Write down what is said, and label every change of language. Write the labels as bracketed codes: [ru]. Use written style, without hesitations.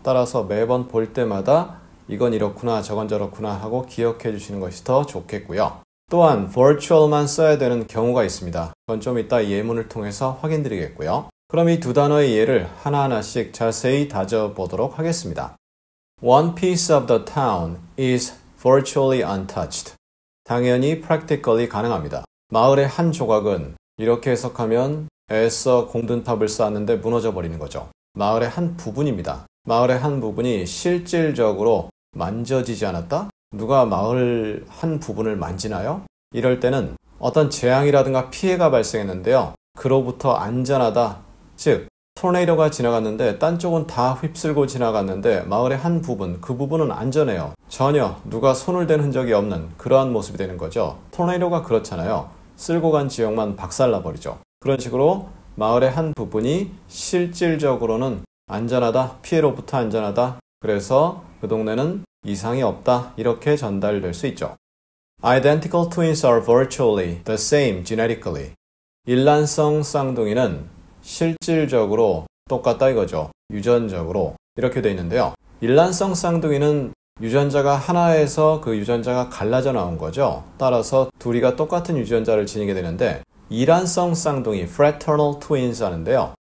[ko] 따라서 매번 볼 때마다 이건 이렇구나, 저건 저렇구나 하고 기억해 주시는 것이 더 좋겠고요. 또한 virtual만 써야 되는 경우가 있습니다. 그건 좀 이따 예문을 통해서 확인 드리겠고요. 그럼 이두 단어의 예를 하나하나씩 자세히 다져보도록 하겠습니다. [en] One piece of the town is virtually untouched. [ko] 당연히 practically 가능합니다. 마을의 한 조각은 이렇게 해석하면 애써 공든탑을 쌓았는데 무너져 버리는 거죠. 마을의 한 부분입니다. 마을의 한 부분이 실질적으로 만져지지 않았다? 누가 마을 한 부분을 만지나요? 이럴 때는 어떤 재앙이라든가 피해가 발생했는데요. 그로부터 안전하다. 즉, 토네이도가 지나갔는데 딴 쪽은 다 휩쓸고 지나갔는데 마을의 한 부분, 그 부분은 안전해요. 전혀 누가 손을 댄 흔적이 없는 그러한 모습이 되는 거죠. 토네이도가 그렇잖아요. 쓸고 간 지역만 박살나 버리죠. 그런 식으로 마을의 한 부분이 실질적으로는 안전하다. 피해로부터 안전하다. 그래서 그 동네는 이상이 없다. 이렇게 전달될 수 있죠. [en] Identical twins are virtually the same genetically. [ko] 일란성 쌍둥이는 실질적으로 똑같다 이거죠. 유전적으로. 이렇게 돼 있는데요. 일란성 쌍둥이는 유전자가 하나에서 그 유전자가 갈라져 나온 거죠. 따라서 둘이가 똑같은 유전자를 지니게 되는데, 일란성 쌍둥이, fraternal twins 하는데요.